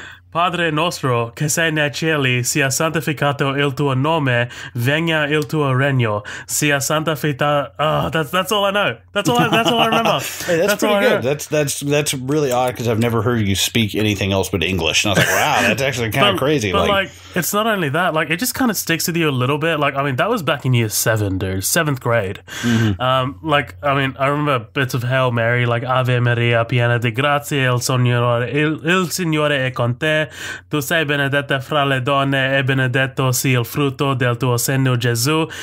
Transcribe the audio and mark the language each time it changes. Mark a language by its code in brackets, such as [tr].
[it] Padre nostro, che sei nei cieli, sia santificato il tuo nome, venga il tuo regno, sia santificato. [en] That's all I know. That's all I remember. Hey, that's pretty good. That's really odd because I've never heard you speak anything else but English. And I was like, wow, that's actually kind of crazy. But like, it's not only that. Like, it just kind of sticks with you a little bit. Like, I mean, that was back in year seven, dude, seventh grade. Mm-hmm. Like, I mean, I remember bits of Hail Mary, like [it] Ave Maria, piena di grazia, il Signore è con te. Tu sei benedetta fra le donne e benedetto sia il frutto del tuo seno Gesù.